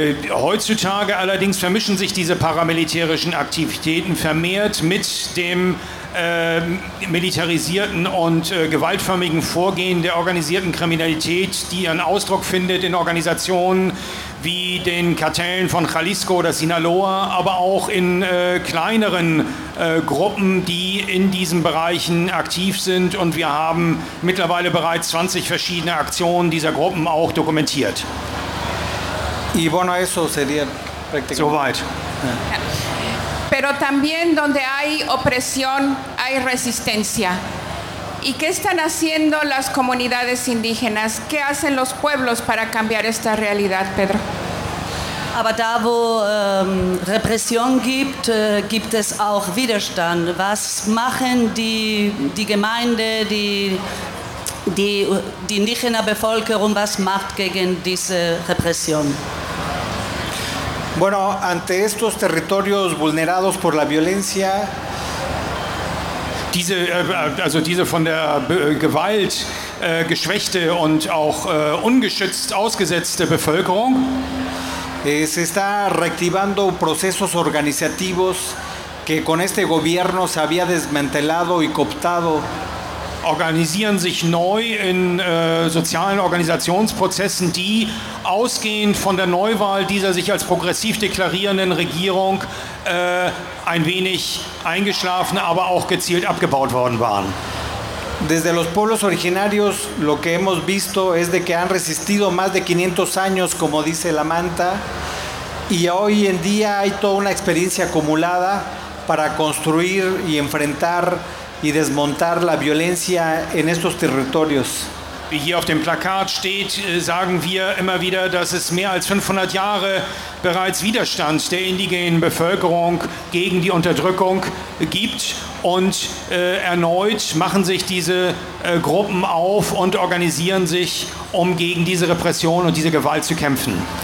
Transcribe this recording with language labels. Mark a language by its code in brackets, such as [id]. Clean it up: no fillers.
[de] Heutzutage allerdings vermischen sich diese paramilitärischen Aktivitäten vermehrt mit dem militarisierten und gewaltförmigen Vorgehen der organisierten Kriminalität, die ihren Ausdruck findet in Organisationen wie den Kartellen von Jalisco oder Sinaloa, aber auch in kleineren Gruppen, die in diesen Bereichen aktiv sind. Und wir haben mittlerweile bereits 20 verschiedene Aktionen dieser Gruppen auch dokumentiert. [es] Y bueno, eso sería prácticamente. [de] Soweit. [es] Pero también donde hay opresión, hay resistencia. ¿Y qué están haciendo las comunidades indígenas? ¿Qué hacen los pueblos para cambiar esta realidad, Pedro? [de] Aber da, wo Repression gibt, gibt es auch Widerstand. Was machen die Gemeinde, die indígena Bevölkerung, was macht gegen diese Repression? [es] Bueno, ante estos territorios vulnerados por la violencia, [de] diese von der Gewalt geschwächte und auch ungeschützt ausgesetzte Bevölkerung, [es] se está reactivando procesos organizativos que con este gobierno se había desmantelado y cooptado. [de] Organisieren sich neu in sozialen Organisationsprozessen, die ausgehend von der Neuwahl dieser sich als progressiv deklarierenden Regierung ein wenig eingeschlafen, aber auch gezielt abgebaut worden waren. [es] Desde los pueblos originarios lo que hemos visto es de que han resistido más de 500 años, como dice la manta, y hoy en día hay toda una experiencia acumulada para construir y enfrentar y desmontar la violencia en estos territorios. [de] Wie hier auf dem Plakat steht, sagen wir immer wieder, dass es mehr als 500 Jahre bereits Widerstand der indigenen Bevölkerung gegen die Unterdrückung gibt. Und erneut machen sich diese Gruppen auf und organisieren sich, um gegen diese Repression und diese Gewalt zu kämpfen.